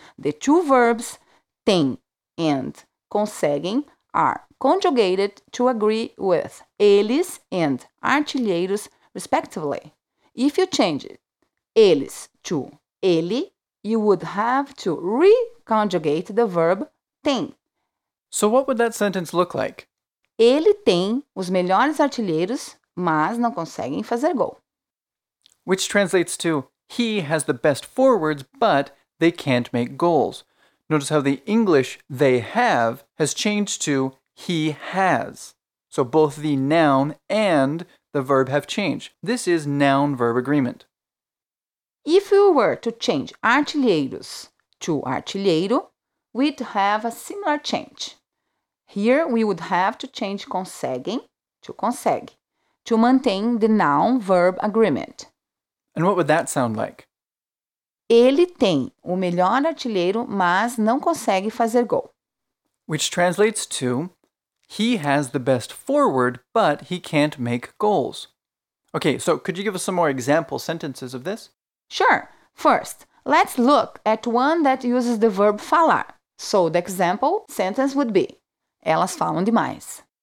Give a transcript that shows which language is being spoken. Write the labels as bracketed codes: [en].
[en] The two verbs têm and conseguem are conjugated to agree with eles and artilheiros respectively. If you change it, eles to ele, you would have to re-conjugate the verb tem. So what would that sentence look like? [pt] Ele tem os melhores artilheiros, mas não conseguem fazer gol. [en] Which translates to he has the best forwards, but they can't make goals. Notice how the English they have has changed to he has. So both the noun and the verb have changed. This is noun-verb agreement. If we were to change artilheiros to artilheiro, we'd have a similar change. Here we would have to change conseguem to consegue to maintain the noun-verb agreement. And what would that sound like? [pt] Ele tem o melhor artilheiro, mas não consegue fazer gol. [en] Which translates to He has the best forward, but he can't make goals. Okay, so could you give us some more example sentences of this? Sure. First, let's look at one that uses the verb falar. So the example sentence would be [pt] Elas falam demais.